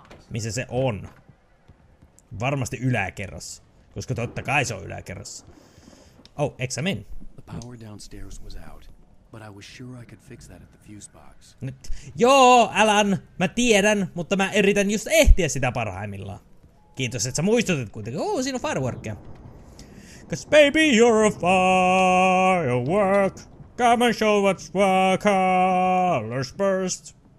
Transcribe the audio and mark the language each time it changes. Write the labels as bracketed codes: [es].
[fi] Missä se on? Varmasti yläkerrassa. Koska totta kai se on yläkerrassa. [en] Oh, [fi] eikö min? [en] The power downstairs was out. But I was sure I could fix that at the fuse box. [fi] Nyt. Joo, Alan, mä tiedän, mutta mä yritän just ehtiä sitä parhaimmillaan. Kiitos, että sä muistutit kuitenkin. Oo, siinä on fireworkia. [en] Cause baby, you're a firework. Come and show what's what colors burst.